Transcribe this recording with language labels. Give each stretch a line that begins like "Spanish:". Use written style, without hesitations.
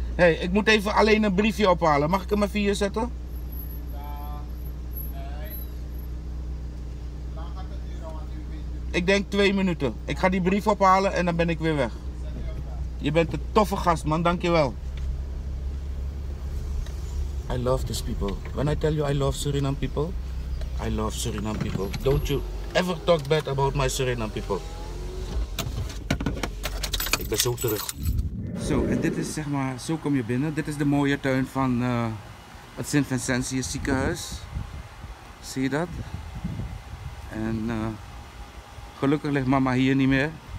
Dutch: Hey, ik moet even alleen een briefje ophalen. Mag ik hem even hier zetten? Nee. Lang gaat het duren, want u weet. Ik denk 2 minuten. Ik ga die brief ophalen en dan ben ik weer weg. Je bent een toffe gast, man. Dankjewel.
English: I love these people. When I tell you I love Suriname people, I love Suriname people. Don't you ever talk bad about my Suriname people.
Dutch: Zo terug. Zo, en dit is zeg maar, zo kom je binnen. Dit is de mooie tuin van het Sint Vincentius ziekenhuis. Zie je dat? En gelukkig ligt mama hier niet meer.